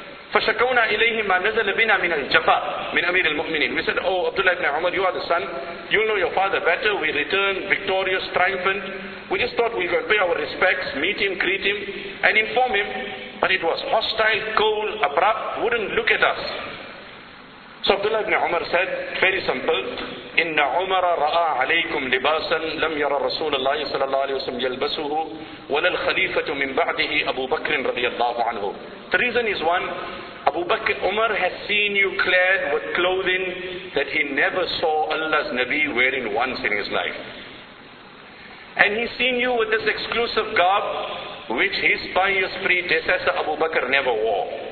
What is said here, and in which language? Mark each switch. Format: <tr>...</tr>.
<ar>فَشَكَوْنَا إِلَيْهِ مَا نَزَلَ بِنَا مِنَ الْجَفَاءِ مِنْ أَمِيرِ الْمُؤْمِنِينَ.</ar> <en>We said, oh, Abdullah ibn Umar, you are the son. You know your father better. We return victorious, triumphant. We just thought we could pay our respects, meet him, greet him, and inform him. But it was hostile, cold, abrupt, wouldn't look at us. So Abdullah ibn Umar said, very simple,</en> <ar>إِنَّ عُمَرَ رَآ عَلَيْكُمْ لِبَاسًا لَمْ يَرَ رَسُولَ اللَّهِ صَلَى اللَّهُ عَلَيْهِ وَسَلَّمَ يَلْبَسُهُ وَلَا الْخَلِيفَةُ مِنْ بَعْدِهِ أَبُو بَكْرٍ رَضِيَ اللَّهُ عَنْهُ.</ar> <en>The reason is one, Abu Bakr, Umar has seen you clad with clothing that he never saw Allah's Nabi wearing once in his life. And he's seen you with this exclusive garb which his pious predecessor Abu Bakr never wore.</en>